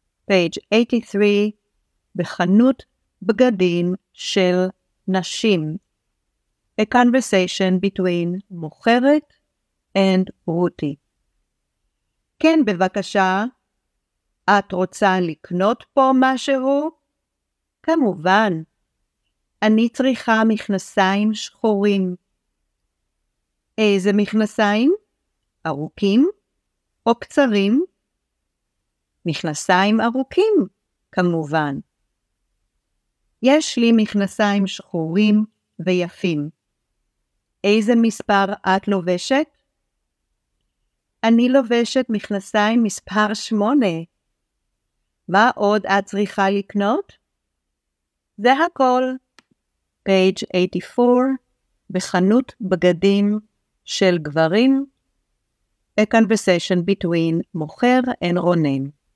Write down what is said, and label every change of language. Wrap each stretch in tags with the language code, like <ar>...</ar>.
<he>Page 83, בחנות בגדים של נשים.</he> <en>A conversation between מוכרת and רותי.</en> <he>כן, בבקשה. את רוצה לקנות פה משהו? כמובן. אני צריכה מכנסיים שחורים. איזה מכנסיים? ארוכים או קצרים? מכנסיים ארוכים, כמובן. יש לי מכנסיים שחורים ויפים. איזה מספר את לובשת? אני לובשת מכנסיים מספר 8. מה עוד את צריכה לקנות? זה הכל. Page 84, בחנות בגדים של גברים. A conversation between מוכר and רונן.</he>